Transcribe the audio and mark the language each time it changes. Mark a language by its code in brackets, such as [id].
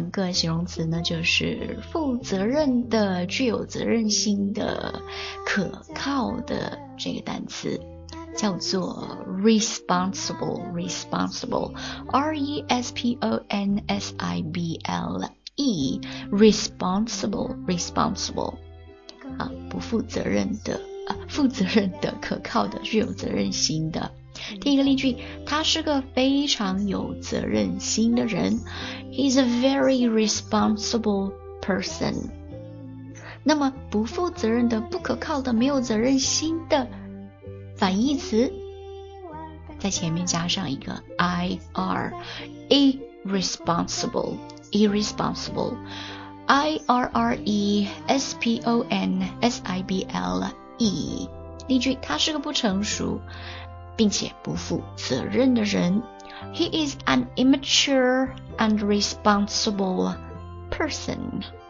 [zh] 形容词呢，就是负责任的、具有责任心的、可靠的，这个单词叫做 responsible， responsible， R E S P O N S I B L E， responsible， responsible， 啊，不负责任的、负责任的、可靠的、具有责任心的。第一个例句，他是个非常有责任心的人。 [en] He's a very responsible person. [zh] 那么不负责任的、不可靠的、没有责任心的反义词，在前面加上一个 IR， irresponsible, irresponsible, I-R-R-E-S-P-O-N-S-I-B-L-E. 例句，他是个不成熟并且不负责任的人。 [en] He is an immature and responsible person.